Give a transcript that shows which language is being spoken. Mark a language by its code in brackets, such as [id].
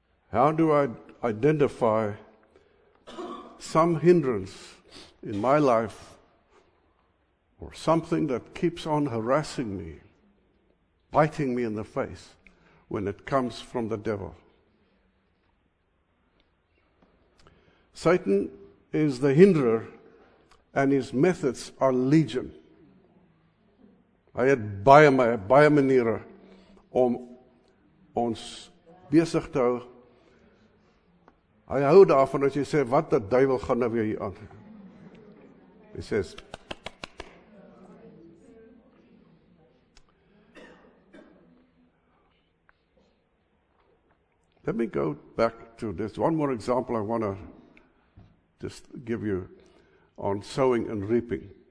[en] How do I identify some hindrance in my life or something that keeps on harassing me, biting me in the face when it comes from the devil? Satan is the hinderer and his methods are legion. [af] Hy het baie maniere om ons besig te hou. Hy hou daarvan as jy sê, wat die duivel gaan nou weer hier aan? Hy sê, [en] let me go back to this. One more example I want to just give you on sowing and reaping.